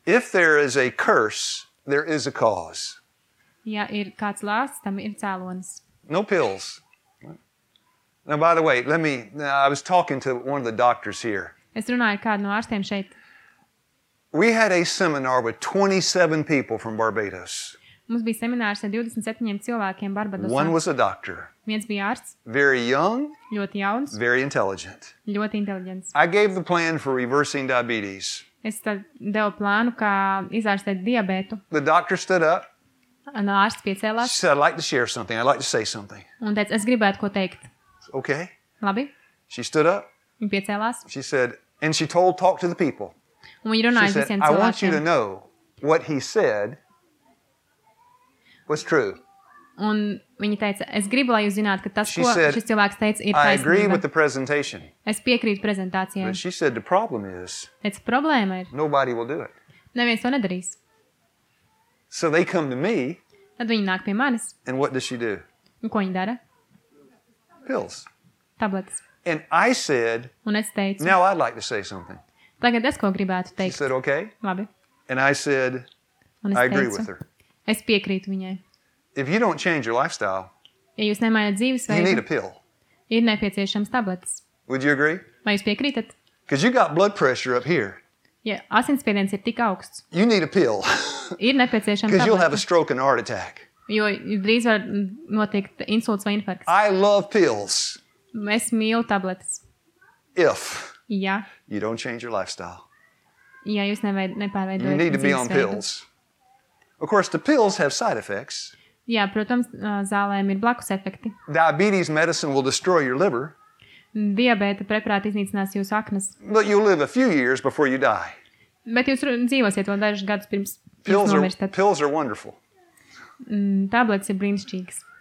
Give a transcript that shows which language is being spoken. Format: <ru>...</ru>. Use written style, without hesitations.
<en>If there is a curse, there is a cause.</en> <lv>Ja ir kāds lāsts, tam ir cēlonis.</lv> <en>No pills. Now, by the way, I was talking to one of the doctors here.</en> <lv>Es runāju ar kādu no ārstiem šeit.</lv> <en>We had a seminar with 27 people from Barbados.</en> <lv>Mums bija seminārs ar 27 cilvēkiem Barbadosā.</lv> <en>One was a doctor.</en> <lv>Viens bija ārsts.</lv> <en>Very young.</en> <lv>Ļoti jauns.</lv> <en>Very intelligent.</en> <lv>Ļoti inteligents.</lv> <en>I gave the plan for reversing diabetes.</en> <lv>Es tad devu plānu, kā izārstēt diabētu.</lv> <en>The doctor stood up.</en> <lv>Un ārsts piecēlās.</lv> <en>She said, I'd like to share something. I'd like to say something.</en> <lv>Un teica, es gribētu ko teikt.</lv> <en>Okay.</en> <lv>Labi.</lv> <en>She stood up.</en> <lv>Viņa piecēlās.</lv> <en>She said, and she told talk to the people.</en> <lv>Un viņa runāja visiem cilvēkiem.</lv> <en>I want you to know what he said was true.</en> <lv>Un viņa teica, es gribu, lai jūs zināt, ka tas, ko šis cilvēks teica, ir taisnība.</lv> <en>I agree with the presentation.</en> <lv>Es piekrītu prezentācijai.</lv> <en>But she said, the problem is,</en> <lv>teica, problēma ir,</lv> <en>nobody will do it.</en> <lv>Neviens to nedarīs.</lv> <en>So they come to me.</en> <lv>Tad viņa nāk pie manis.</lv> <en>And what does she do?</en> <lv>Un ko viņa dara?</lv> <en>Pills.</en> <lv>Tabletes.</lv> <en>And I said,</en> <lv>un es teicu,</lv> <en>now I'd like to say something.</en> <lv>Tagad es ko gribētu teikt.</lv> <en>She said, okay.</en> <lv>Labi.</lv> <en>And I said,</en> <lv>un es</lv> <en>I agree with her.</en> <lv>Es piekrītu viņai.</lv> <en>If you don't change your lifestyle,</en> <lv>ja jūs nemainat dzīvesveidu,</lv> <en>you need a pill.</en> <lv>Ir nepieciešams tabletes.</lv> <en>Would you agree?</en> <lv>Vai jūs piekrītat?</lv> <en>Because you got blood pressure up here.</en> <lv>Ja asinsspiediens ir tik augsts.</lv> <en>You need a pill.</en> <lv>Ir nepieciešams tabletes.</lv> <en>Because you'll have a stroke and heart attack.</en> <lv>Jo drīz var notikt insults vai infarkts.</lv> <en>I love pills.</en> <lv>Es mīlu tabletes.</lv> <en>If.</en> <lv>Ja.</lv> <en>You don't change your lifestyle.</en> <lv>Ja jūs nepārveidojat.</lv> <en>You need to be on pills. Of course, the pills have side effects.</en> <lv>Jā, protams, zālēm ir blakus efekti.</lv> <en>Diabetes medicine will destroy your liver.</en> <lv>Diabēta preparāti iznīcinās jūsu aknas.</lv> <en>But you live a few years before you die.</en> <lv>Bet jūs dzīvosiet vēl dažus gadus pirms</lv> <en>pills</en> <lv>jūs nomirstat.</lv> <en>Pills are wonderful.</en> <lv>Tabletes ir brīnišķīgas.</lv>